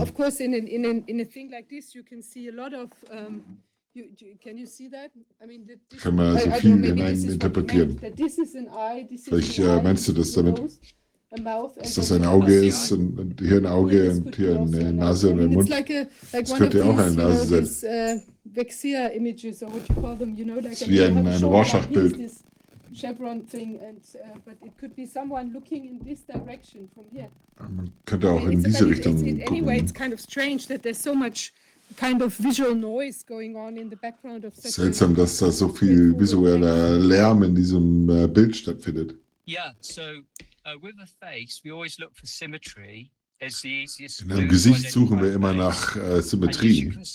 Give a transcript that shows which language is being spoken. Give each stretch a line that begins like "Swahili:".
English: Of course, in a thing like this, you can see a lot of. Can you see that? I mean, this,
German: kann man also viel hineininterpretieren. Vielleicht meinst du das damit, dass das ein Auge ist und hier ein Auge und hier eine Nase und ein Mund. Das könnte ja auch eine Nase sein.
English: Vexia images or what you call them, you know, like
German: wie ein Rorschach-Bild.
English: This chevron thing, and but it could be someone looking in this direction from here.
German: Man könnte auch in diese Richtung gucken.
English: Anyway, it's kind of strange that there's so much kind of visual noise going on in the background of.
German: Seltsam, dass da so viel visueller Lärm in diesem Bild stattfindet.
English: Yeah, so with a face, we always look for symmetry.
German: In einem Gesicht suchen wir immer nach Symmetrie.